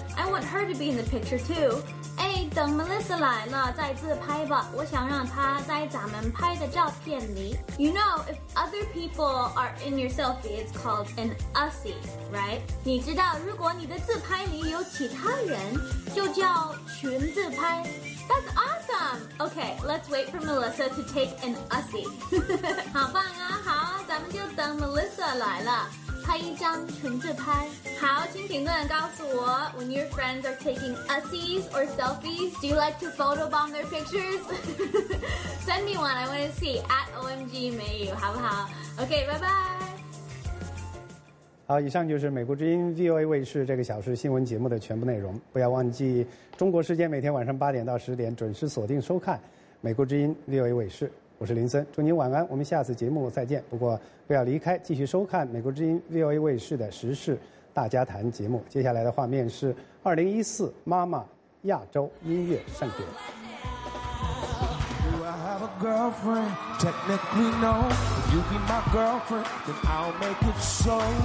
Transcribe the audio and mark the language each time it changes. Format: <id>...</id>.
<en>I want her to be in the picture too.</en> <zh>哎，等 Melissa 来了再自拍吧，我想让她在咱们拍的照片里。</zh> <en>You know, if other people are in your selfie, it's called an usie, right?</en> <zh>你知道如果你的自拍里有其他人就叫群自拍。</zh> <en>That's awesome! Okay, let's wait for Melissa to take an usie.</en> <zh>好棒啊，好，咱们就等 Melissa 来了拍一张纯自拍。好，请评论告诉我</zh> <en>，When your friends are taking ussies or selfies, do you like to photobomb their pictures? Send me one. I want to see @OMG 美语，</en> <zh>好不好</zh> <en>？OK， 拜拜。</en> <zh>好，以上就是美国之音 VOA 卫视这个小时新闻节目的全部内容。不要忘记中国时间每天晚上8点到10点准时锁定收看美国之音 VOA 卫视。我是林森，祝您晚安，我们下次节目再见。不过不要离开，继续收看美国之音 VOA 卫视的时事大家谈节目。接下来的画面是2014妈妈亚洲音乐盛典。</zh> <en>Have a girlfriend, technically no. If you be my girlfriend, then I'll make it so.</en>